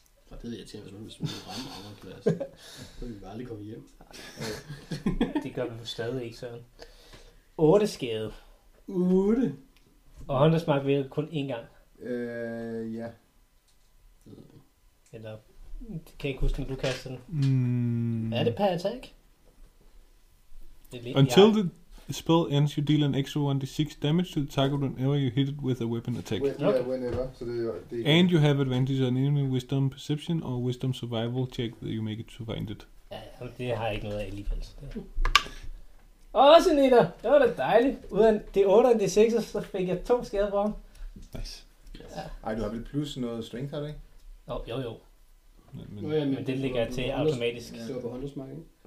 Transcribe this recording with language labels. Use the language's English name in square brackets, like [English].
[Danish] Det ved jeg til, hvis man vil ramme over en plads. Så vil vi bare aldrig komme hjem. Det gør vi stadig ikke, Søren. 8 skade. 8. Og Hunter Smart ved kun én gang. Ja. Eller, kan jeg ikke huske, når du kaster den. Mm. Er det per attack? [English] Until the spell ends, you deal an extra 1d6 damage to the target whenever you hit it with a weapon attack. Whenever. So they and you have advantage on enemy wisdom perception or wisdom survival check that you make it to find it. [Danish] Ja, det har jeg ikke noget af alligevel. Også Nita! Det var da dejligt. Uden det 8 og det 6, så fik jeg 2 skade på. [English] Nice. Yes. [Danish] Ja. Ej, du har vel plus noget strength, har du ikke? Jo. Men det ligger til automatisk. Det var på håndelsmark, ikke?